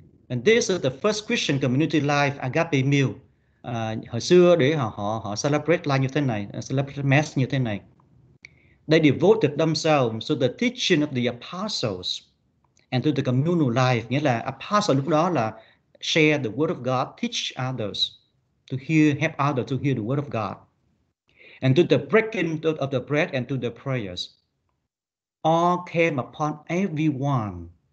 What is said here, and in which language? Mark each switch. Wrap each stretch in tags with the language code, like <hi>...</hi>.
<en>And this is the first Christian community life agape meal.</en> <vi>Hồi xưa để họ họ họ celebrate life như thế này, celebrate mass như thế này.</vi> <en>They devoted themselves to the teaching of the apostles and to the communal life.</en> <vi>Nghĩa là</vi> <en>apostle</en> <vi>lúc đó là</vi> <en>share the word of God, teach others, to hear, help others to hear the word of God. And to the breaking of the bread and to the prayers. All came upon everyone.</en>